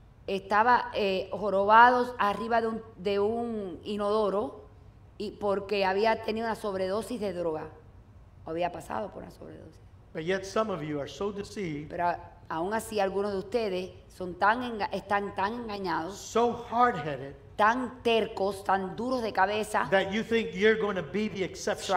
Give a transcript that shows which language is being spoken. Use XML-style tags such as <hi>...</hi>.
<es>Estaba jorobados arriba de un inodoro y porque había tenido una sobredosis de droga. Había pasado por una sobredosis.</es> <en>But yet some of you are so deceived,</en> <es>pero aún así algunos de ustedes son están tan engañados,</es> <en>so hard-headed,</en> <es>tan tercos, tan duros de cabeza,</es> <en>that you think you're going to be the exception.</en>